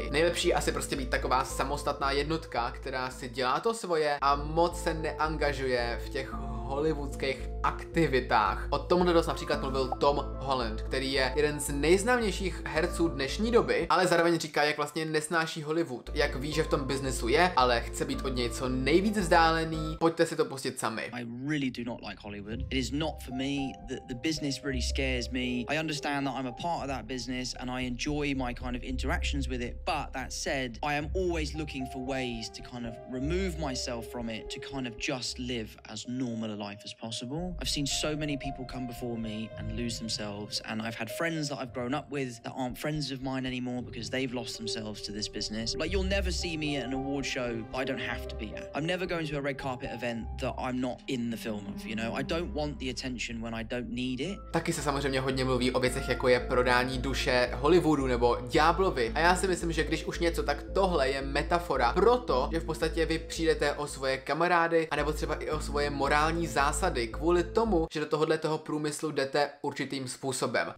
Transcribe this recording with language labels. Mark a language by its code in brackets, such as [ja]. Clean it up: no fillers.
[cs] Nejlepší asi prostě být taková samostatná jednotka, která si dělá to svoje a moc se neangažuje v těch hollywoodských aktivitách. O tomhle dost například mluvil Tom Holland, který je jeden z nejznámějších herců dnešní doby, ale zároveň říká, jak vlastně nesnáší Hollywood, jak ví, že v tom biznesu je, ale chce být od něj co nejvíc vzdálený. Pojďte si to pustit sami. [en] I really do not like Hollywood. It is not for me. The business really scares me. I understand that I'm a part of that business and I enjoy my kind of interactions with it, but that said, I am always looking for ways to kind of remove myself from it, to kind of just live as normal a life as possible. I've seen so many people come before me and lose themselves, and I've had friends that I've grown up with that aren't friends of mine anymore because they've lost themselves to this business. Like, you'll never see me at an award show I don't have to be at. I'm never going to a red carpet event that I'm not in the film of, you know? I don't want the attention when I don't need it. [cs] Taky se samozřejmě hodně mluví o věcech, jako je prodání duše Hollywoodu nebo ďáblovi. A já si myslím, že když už něco, tak tohle je metafora pro to, že v podstatě vy přijdete o svoje kamarády anebo třeba i o svoje morální zásady kvůli tomu, že do tohohle toho průmyslu jdete určitým způsobem.